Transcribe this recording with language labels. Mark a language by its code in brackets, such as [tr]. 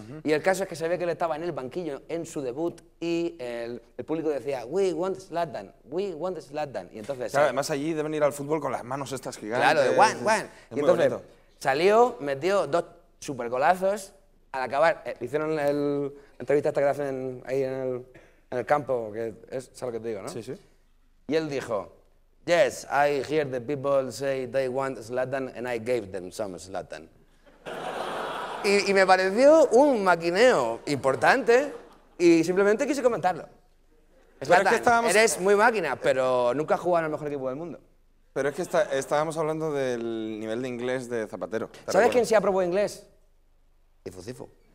[es] Uh-huh. Y el caso es que se ve que él estaba en el banquillo en su debut y el público decía, [en] we want Zlatan, we want Zlatan. [es] Y entonces... Claro, además allí deben ir al fútbol con las manos estas gigantes. Claro, de one. Y entonces salió, metió dos supergolazos, al acabar, hicieron la entrevista esta que hacen ahí en el... En el campo, que es lo que te digo, ¿no? Sí, sí. Y él dijo, [en] yes, I hear the people say they want Zlatan and I gave them some Zlatan. [es] Y me pareció un maquineo importante y simplemente quise comentarlo. Zlatan, es que estábamos... eres muy máquina, pero nunca has jugado en el mejor equipo del mundo. Pero es que estábamos hablando del nivel de inglés de Zapatero. ¿Sabes quién sí aprobó inglés? Cifu.